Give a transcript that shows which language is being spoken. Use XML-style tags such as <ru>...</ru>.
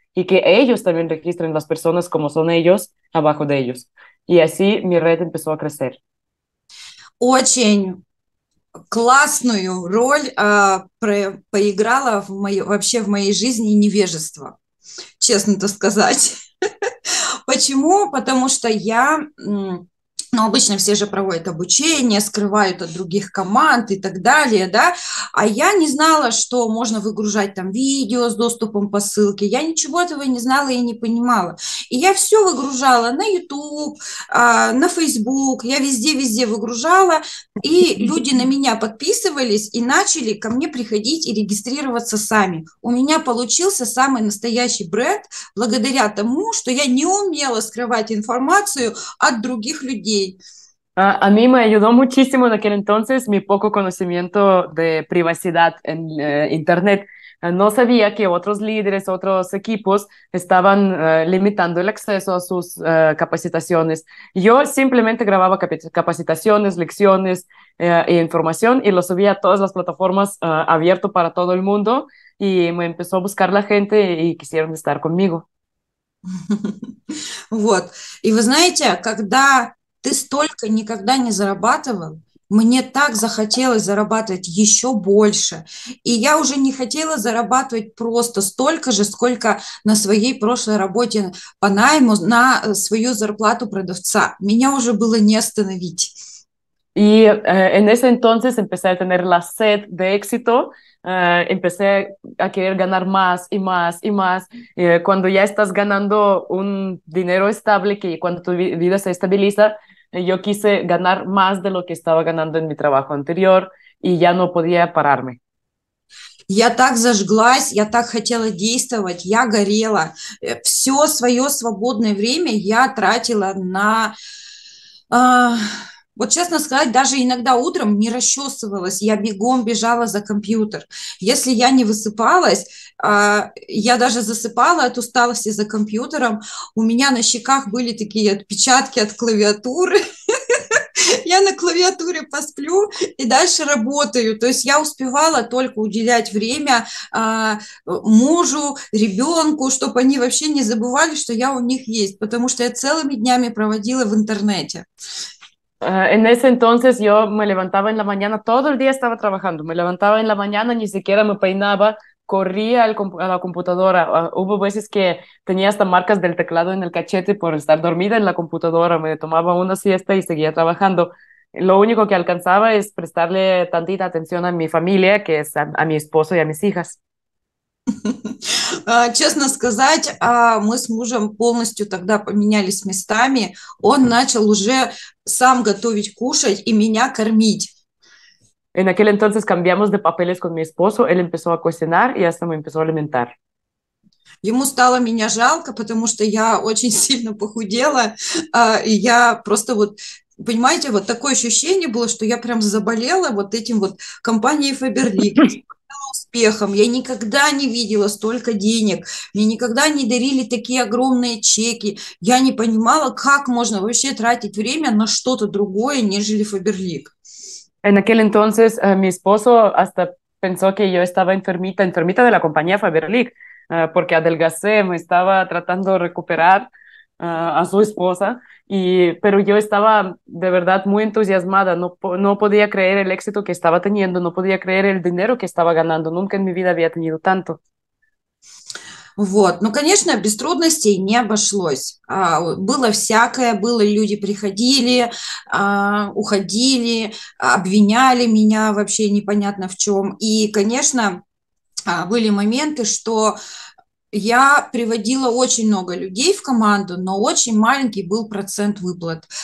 <es>Y que ellos también registren las personas como son ellos, abajo de ellos. Y así mi red empezó a crecer.</es> <ru>Очень классную роль поиграла вообще в моей жизни невежество, честно это сказать. Почему? Потому что я... Ну, обычно все же проводят обучение, скрывают от других команд и так далее, да. А я не знала, что можно выгружать там видео с доступом по ссылке. Я ничего этого не знала и не понимала. И я все выгружала на YouTube, на Facebook, я везде-везде выгружала. И люди на меня подписывались и начали ко мне приходить и регистрироваться сами. У меня получился самый настоящий бренд благодаря тому, что я не умела скрывать информацию от других людей.</ru> <es>A mí me ayudó muchísimo en aquel entonces mi poco conocimiento de privacidad en internet. No sabía que otros líderes, otros equipos estaban limitando el acceso a sus capacitaciones. Yo simplemente grababa capacitaciones, lecciones e información y lo subía a todas las plataformas abierto para todo el mundo y me empezó a buscar la gente y quisieron estar conmigo.</es> <ru>Вот. Y вы знаете, когда ты столько никогда не зарабатывал, мне так захотелось зарабатывать еще больше. И я уже не хотела зарабатывать просто столько же, сколько на своей прошлой работе по найму, на свою зарплату продавца. Меня уже было не остановить.</ru> <es>И en ese entonces empecé a tener la sed de éxito. Empecé a querer ganar más y más y más. Cuando ya estás ganando un dinero estable, que cuando tu vida se estabiliza, yo quise ganar más de lo que estaba ganando en mi trabajo anterior y ya no podía pararme.</es> <ru>Я так зажглась, я так хотела действовать, я горела. Все свое свободное время я тратила на... Вот честно сказать, даже иногда утром не расчесывалась, я бегом бежала за компьютер. Если я не высыпалась, я даже засыпала от усталости за компьютером, у меня на щеках были такие отпечатки от клавиатуры. Я на клавиатуре посплю и дальше работаю. То есть я успевала только уделять время мужу, ребенку, чтобы они вообще не забывали, что я у них есть, потому что я целыми днями проводила в интернете.</ru> <es>En ese entonces yo me levantaba en la mañana, todo el día estaba trabajando, me levantaba en la mañana, ni siquiera me peinaba, corría a la computadora, hubo veces que tenía hasta marcas del teclado en el cachete por estar dormida en la computadora, me tomaba una siesta y seguía trabajando, lo único que alcanzaba es prestarle tantita atención a mi familia, que es a mi esposo y a mis hijas.</es> <ru>Честно сказать, мы с мужем полностью тогда поменялись местами. Он начал уже сам готовить кушать и меня кормить.</ru> <es>En aquel entonces cambiamos de papeles con mi esposo. Él empezó a cocinar y hasta me empezó a alimentar.</es> <ru>Ему стало меня жалко, потому что я очень сильно похудела. И я просто вот, понимаете, вот такое ощущение было, что я прям заболела вот этим вот компанией Faberlic. Успехом. Я никогда не видела столько денег, мне никогда не дарили такие огромные чеки, я не понимала, как можно вообще тратить время на что-то другое, нежели Faberlic.</ru> <es>En aquel entonces, mi esposo hasta pensó que yo estaba enfermita, enfermita de la compañía Faberlic, porque adelgacé, me estaba tratando de recuperar a su esposa, pero yo estaba de verdad muy entusiasmada, no podía creer el éxito que estaba teniendo, no podía creer el dinero que estaba ganando, nunca en mi vida había tenido tanto.</es> <ru>Вот. Ну, конечно, без трудностей не обошлось. Было всякое, было, люди приходили, уходили, обвиняли меня вообще непонятно в чем. И, конечно, были моменты, что я приводила очень много людей в команду, но очень маленький был процент выплат.</ru>